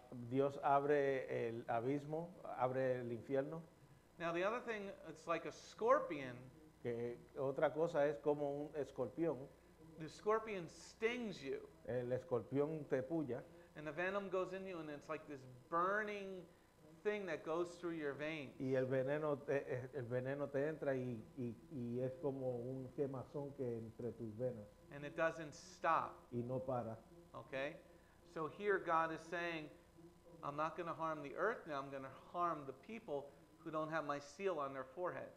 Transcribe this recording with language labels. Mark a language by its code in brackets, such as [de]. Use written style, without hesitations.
[es] Dios abre el abismo, abre el infierno. [en] Now the other thing, it's like a scorpion. [es] Que otra cosa es como un escorpión. [en] The scorpion stings you. [es] El escorpión te puya. [en] And the venom goes in you, and it's like this burning thing that goes through your veins. [es] Y el veneno te entra y es como un quemazón que entre tus venas. [en] And it doesn't stop. [es] Y no para. [en] Okay? So here God is saying, I'm not going to harm the earth now, I'm going to harm the people who don't have my seal on their forehead.